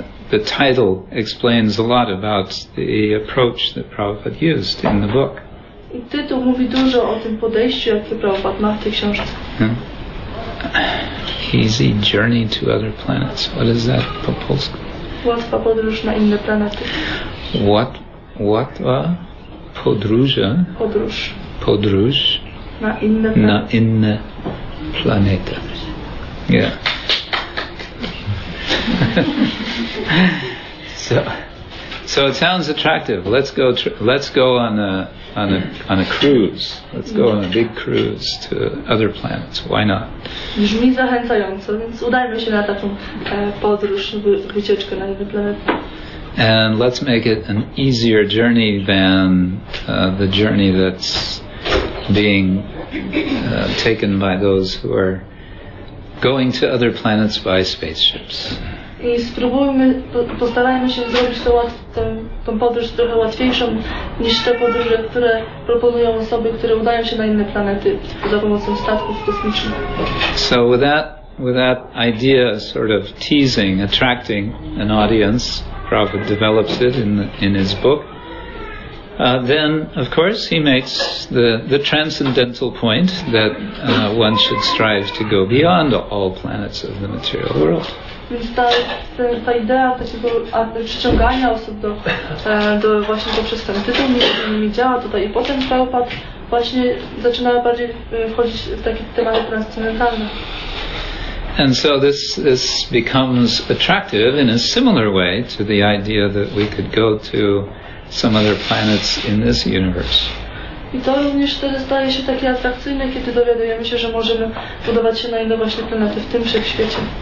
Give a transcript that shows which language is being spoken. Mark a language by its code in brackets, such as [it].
[en] The title explains a lot about the approach that Prabhupada used in the book. [pl] I tytuł mówi dużo o tym podejściu, jakie Prabhupada ma w tej książce. [en] Easy journey to other planets. What is that [pl] po polsku? Łatwa podróż na inne planety. Łatwa podróż. Podróż. Podróż. Na inne planety. Na inne planety. Yeah. [en] So it sounds attractive. Let's go on a cruise. Let's go on a big cruise to other planets. Why not? [pl] Brzmi zachęcająco, więc udajmy się na taką podróż, wycieczkę na inne planety. [en] And let's make it an easier journey than the journey that's being taken by those who are going to other planets by spaceships. [pl] I spróbujmy, postarajmy się zrobić tą podróż trochę łatwiejszą niż te podróże, które proponują osoby, które udają się na inne planety za pomocą statków kosmicznych. [en] So with that idea sort of teasing, attracting an audience, Prabhupada develops it in his book. Then, of course, he makes the transcendental point that one should strive to go beyond all planets of the material world. [pl] Więc ta idea takiego przyciągania osób do właśnie poprzez ten tytuł nie działa tutaj. I potem Prabhupada właśnie zaczyna bardziej wchodzić w takie tematy transcendentalne. [en] And so this becomes attractive in a similar way to the idea that we could go to some other planets in this universe. [pl] I to również wtedy staje się takie atrakcyjne, kiedy dowiadujemy się, że możemy budować się na inne właśnie planety w tym wszechświecie.